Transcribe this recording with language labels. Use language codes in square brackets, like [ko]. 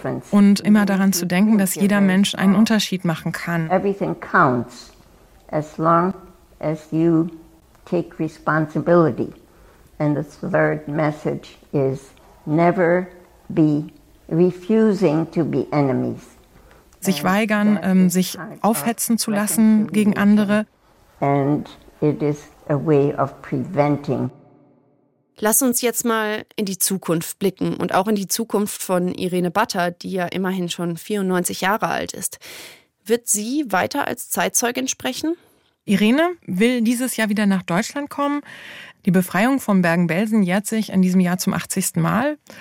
[de] Und immer daran zu denken, dass jeder Mensch einen Unterschied machen kann. [en] Everything counts, as long as you take responsibility. And the third message is never be refusing to be enemies. [de] Sich weigern, sich aufhetzen zu lassen gegen andere. [en] And it is a way of preventing. [de] Lass uns jetzt mal in die Zukunft blicken und auch in die Zukunft von Irene Batter, die ja immerhin schon 94 Jahre alt ist. Wird sie weiter als Zeitzeugin sprechen? Irene will dieses Jahr wieder nach Deutschland kommen. Die Befreiung von Bergen-Belsen jährt sich in diesem Jahr zum 80. Mal.